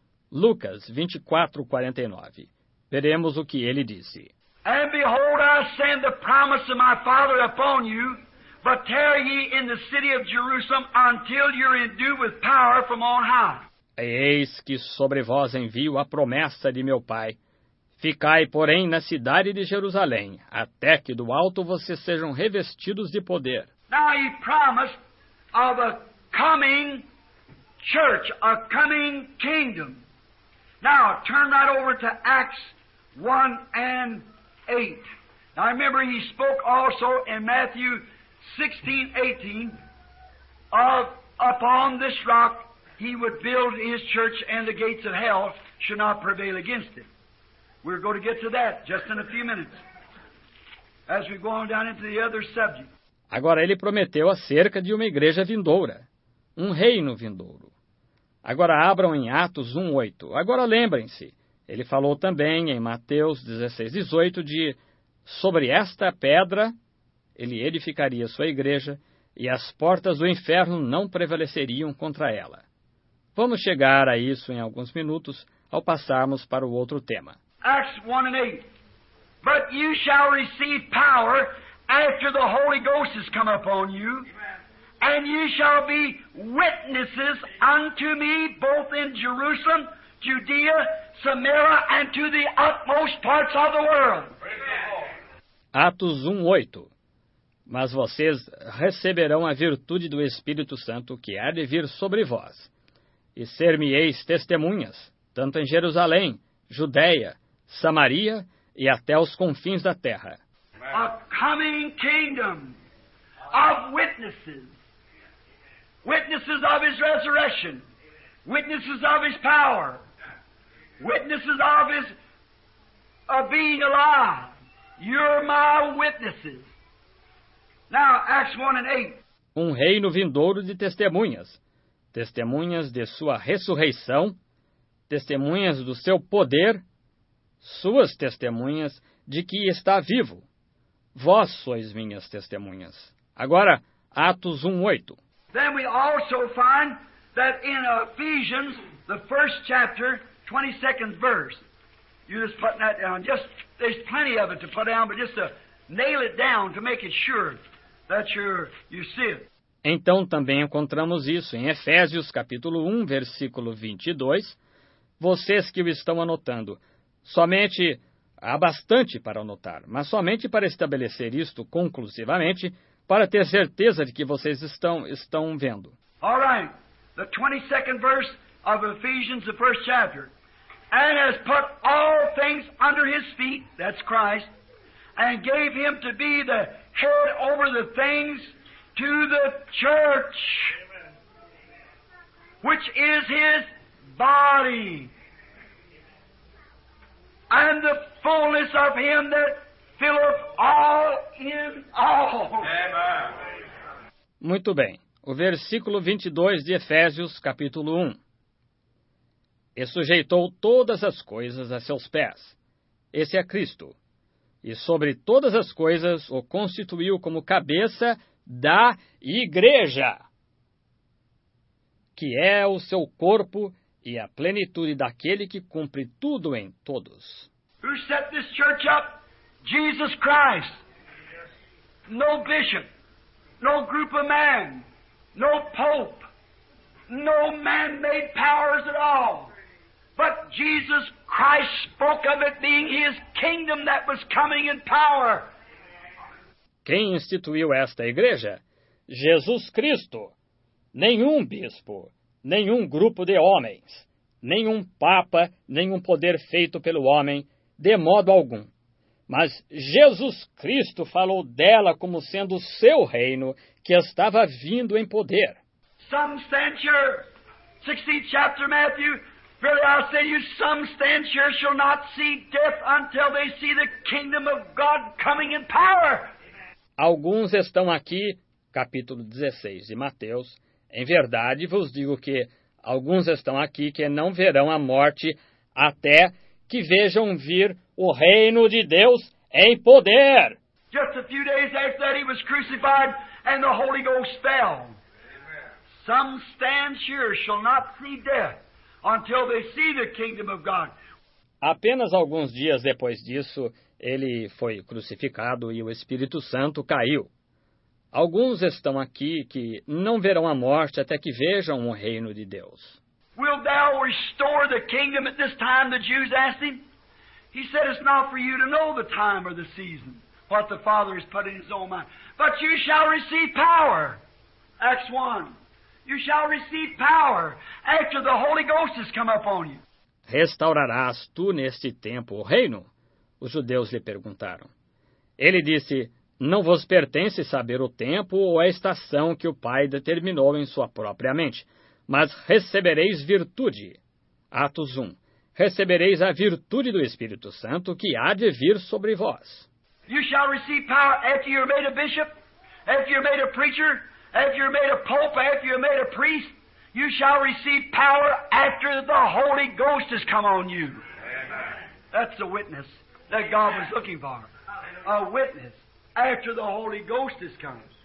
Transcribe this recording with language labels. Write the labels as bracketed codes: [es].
[pt] Lucas 24, 49. Veremos o que ele disse. [en] And behold, I send the promise of my Father upon you, but tarry ye in the city of Jerusalem until you're endued with power from on high. [pt] Eis que sobre vós envio a promessa de meu Pai. Ficai, porém, na cidade de Jerusalém, até que do alto vocês sejam revestidos de poder. [en] Now he promised of a coming church, a coming kingdom. Now, turn that over to Acts 1 and 8. Now, remember, he spoke also in Matthew 16, 18, of upon this rock, he would build his church, and the gates of hell should not prevail against it. We're going to get to that just in a few minutes, as we go on down into the other subject. [pt] Agora ele prometeu acerca de uma igreja vindoura, um reino vindouro. Agora abram em Atos 1:8. Agora lembrem-se, ele falou também em Mateus 16:18 de sobre esta pedra ele edificaria sua igreja e as portas do inferno não prevaleceriam contra ela. Vamos chegar a isso em alguns minutos, ao passarmos para o outro tema. [en] Acts 1 and 8. But you shall receive power after the Holy Ghost has come upon you, and you shall be witnesses unto me both in Jerusalem, Judea, Samaria, and to the utmost parts of the world. [pt] Atos 1:8. Mas vocês receberão a virtude do Espírito Santo que há de vir sobre vós. E ser-me-eis testemunhas, tanto em Jerusalém, Judeia, Samaria e até os confins da terra. [en] A coming kingdom of witnesses. Witnesses of his resurrection. Witnesses of his power. Witnesses of his being alive. You're my witnesses. Now, Acts 1 and 8. [pt] Um reino vindouro de testemunhas. Testemunhas de sua ressurreição. Testemunhas do seu poder. Suas testemunhas de que está vivo. Vós sois minhas testemunhas. Agora, Atos 1:8. [en] Then we also find that in Ephesians, the first chapter, 22nd verse. You're just putting that down. Just, there's plenty of it to put down, but just to nail it down to make it sure that you see it. [pt] Então também encontramos isso em Efésios, capítulo 1, versículo 22. Vocês que o estão anotando, somente há bastante para anotar, mas somente para estabelecer isto conclusivamente, para ter certeza de que vocês estão vendo. [en] All right, the 22nd verse of Ephesians, the first chapter. And has put all things under his feet, that's Christ, and gave him to be the head over the things to the church, which is his body, and the fullness of him that filleth all in all. Amen. [pt] Muito bem. O versículo 22 de Efésios, capítulo 1. E sujeitou todas as coisas a seus pés. Esse é Cristo. E sobre todas as coisas o constituiu como cabeça da igreja, que é o seu corpo e a plenitude daquele que cumpre tudo em todos. [en] Who set this church up? Jesus Christ. No bishop, no group of men, no pope, no man-made powers at all. But Jesus Christ spoke of it being his kingdom that was coming in power. [pt] Quem instituiu esta igreja? Jesus Cristo. Nenhum bispo, nenhum grupo de homens, nenhum papa, nenhum poder feito pelo homem, de modo algum. Mas Jesus Cristo falou dela como sendo o seu reino que estava vindo em poder. [en] Some stand here, 16th chapter Matthew. Verily I say to you, some stand here shall not see death until they see the kingdom of God coming in power. [pt] Alguns estão aqui, capítulo 16 de Mateus. Em verdade, vos digo que alguns estão aqui que não verão a morte até que vejam vir o reino de Deus em poder. [en] Just a few days after that he was crucified and the Holy Ghost fell. Amen. Some stand here shall not see death until they see the kingdom of God. [pt] Apenas alguns dias depois disso, ele foi crucificado e o Espírito Santo caiu. Alguns estão aqui que não verão a morte até que vejam o reino de Deus. [en] Will thou restore the kingdom at this time, the Jews asked him? He said, it's not for you to know the time or the season, what the Father has put in his own mind. But you shall receive power. Acts 1. You shall receive power after the Holy Ghost has come upon you. [pt] Restaurarás tu neste tempo o reino? Os judeus lhe perguntaram. Ele disse, não vos pertence saber o tempo ou a estação que o Pai determinou em sua própria mente, mas recebereis virtude. Atos 1. Recebereis a virtude do Espírito Santo que há de vir sobre vós. [en] You shall receive power after you're made a bishop, after you're made a preacher, if you're made a pope, if you're made a priest, you shall receive power after the Holy Ghost has come on you. Amen. That's the witness that God was looking for. A witness after the Holy Ghost has come.